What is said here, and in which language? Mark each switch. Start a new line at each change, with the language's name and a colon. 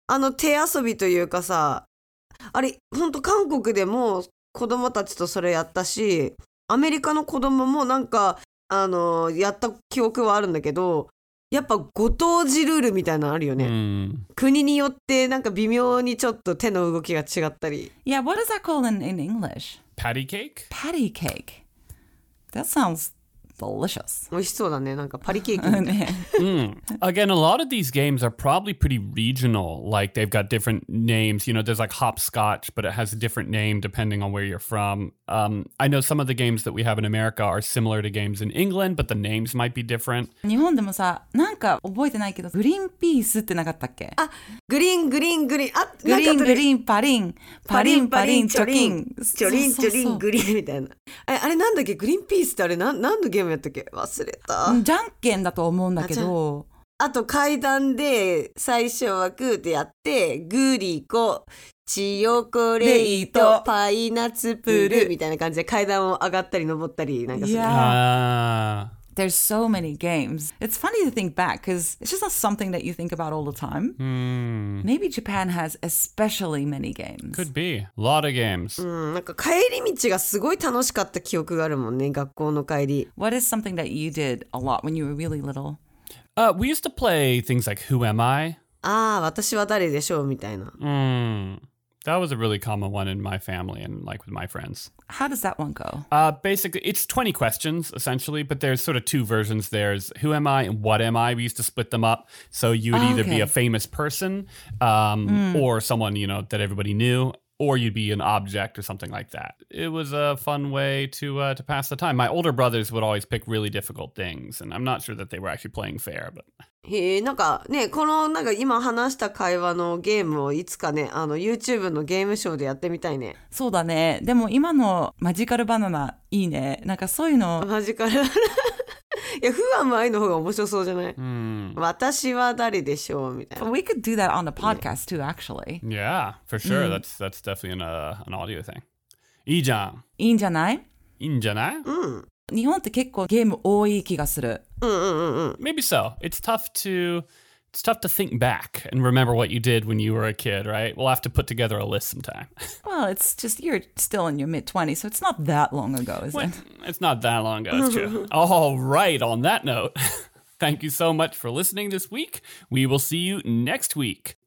Japanese: あの手遊びというかさ、あれ本当韓国でも子供たちとそれやったし、アメリカの子供もなんかやった記憶はあるんだけど、やっぱご当地ルールみたいなのあるよね、 mm. 国によってなんか微妙にちょっと手の動きが違ったり。
English: Yeah, what is that called in English? Patty cake? Patty cake. That sounds delicious.
Japanese: 美味しそうだね、なんかパリケーキみたいな。
English: Again, a lot of these games are probably pretty regional. Like they've got different names. You know, there's like hopscotch, but it has a different name depending on where you're from. I know some of the games that we have in America are similar to games in England, but the names might be different.
Japanese: 日本でもさ、なんか覚えてないけど、グリーンピースってなかったっけ？あ、グリーン、グリーン、グリーン、あ、グリーン、グリーン、パリン、パリン、パリン、チョリン、チョリン、チョリン、グリーンみたいな。あれなんだっけ、グリーンピースってあれ、なんのゲームやったっけ？忘れた。じゃんけんだと思うんだけど。あと階段で最初はグーってやって、グーリーコ、チヨコレート、パイナッツプールみたいな感じで階段を上がったり登ったりなんかする。
English: Yeah. There's so many games. It's funny to think back because it's just not something that you think about all the time.、 Mm. Maybe Japan has especially many games. Could be. A lot of games.、
Japanese: うん、なんか帰り道がすごい楽しかった記憶があるもんね、学校の帰り。
English: What is something that you did a lot when you were really little? We used to play things like Who Am I?
Japanese: Ah, 私は誰でしょうみたいな。 Mm.
English: That was a really common one in my family and like with my friends. How does that one go? Basically, it's 20 questions essentially, but there's sort of two versions. There's Who Am I and What Am I? We used to split them up. So you would either be a famous person, or someone, you know, that everybody knew. Or you'd be an object or something like that. It was a fun way to pass the time. My older brothers would always pick really difficult things, and I'm not sure that they were actually playing fair. But
Japanese: なんかね、このなんか今話した会話のゲームをいつかね、YouTube のゲームショーでやってみたいね。そうだね。でも今のマジカルバナナいいね。なんかそういうの。マジカル。いや、不安も愛の方が面白そうじゃない、 mm. 私は誰でしょうみたいな。
English: We could do that on the podcast、yeah. too, actually. Yeah, for sure.、Mm. That's definitely an audio thing.
Japanese: いいじゃん。いいんじゃない？いいんじゃない？うん。日本って結構ゲーム多い気がする。うんうんうんうん。
English: Maybe so. It's tough to think back and remember what you did when you were a kid, right? We'll have to put together a list sometime. Well, it's just you're still in your mid-20s, so it's not that long ago, is it? It's not that long ago, it's true. All right, on that note. Thank you so much for listening this week. We will see you next week.